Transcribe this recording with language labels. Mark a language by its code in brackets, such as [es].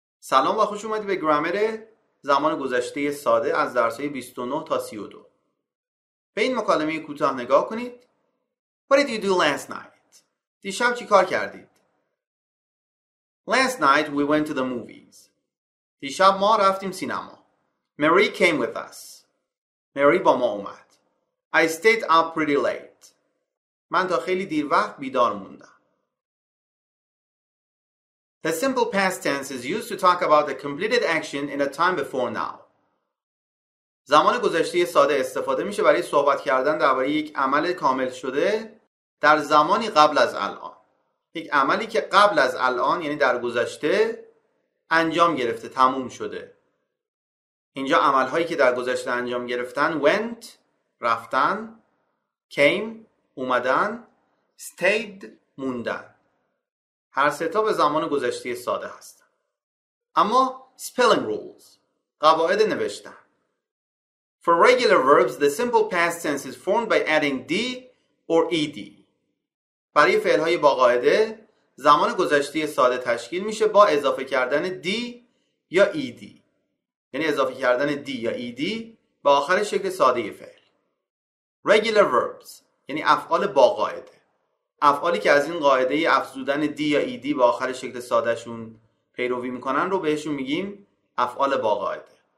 [fa] سلام و خوش اومدید به گرامر زمان گذشته ساده از درس‌های 29 تا 32. به این مکالمه کوتاه نگاه کنید. [en] What did you do last night? [fa] دیشب چی کار کردید؟ [en] Last night we went to the movies. [fa] دیشب ما رفتیم سینما. [en] Mary came with us. [fa] Mary با ما اومد. [en] I stayed up pretty late. [fa] من تا خیلی دیر وقت بیدار موندم. [en] The simple past tense is used to talk about a completed action in a time before now. [fa] زمان گذشته ساده استفاده میشه برای صحبت کردن درباره یک عمل کامل شده در زمانی قبل از الان. یک عملی که قبل از الان یعنی در گذشته انجام گرفته، تموم شده. اینجا عملهایی که در گذشته انجام گرفتن went رفتن، came اومدن، stayed موندن. هر سه تا به زمان گذشته ساده هستن. اما spelling rules، قواعد نوشتن. [en] For regular verbs the simple past tense is formed by adding d or ed. [fa] برای فعل های با قاعده زمان گذشته ساده تشکیل میشه با اضافه کردن d یا ed. یعنی اضافه کردن d یا ed به آخر شکل ساده فعل. Regular verbs یعنی افعال با قاعده، افعالی که از این قاعده ای افزودن دی یا ای دی با آخر شکل ساده شون پیروی میکنن رو بهشون میگیم افعال با قاعده.